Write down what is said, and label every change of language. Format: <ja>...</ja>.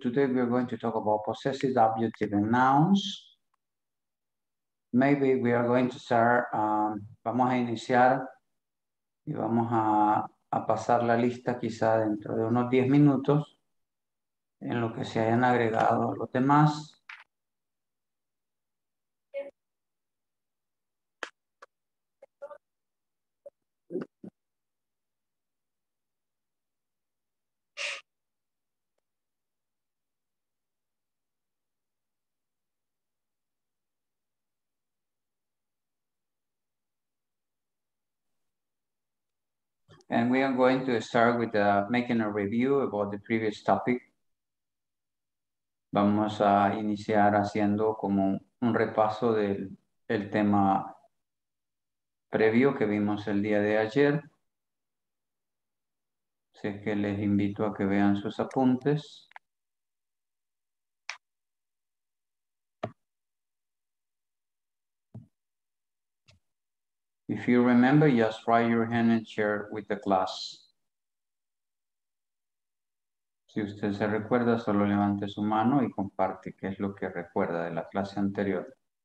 <en>Today we are going to talk about possessive, adjective, and nouns. Maybe we are going to start,</en> <es>vamos a iniciar y vamos a pasar la lista quizá dentro de unos 10 minutos en lo que se hayan agregado los demás.</es> <en>And we are going to start with making a review about the previous topic.</en> <es>Vamos a iniciar haciendo como un repaso del el tema previo que vimos el día de ayer. Así que les invito a que vean sus apuntes.</es> <en>If you remember, just raise your hand and share with the class.</en> <es>Si usted se recuerda, solo levante su mano y comparte qué es lo que recuerda de la clase anterior.</es>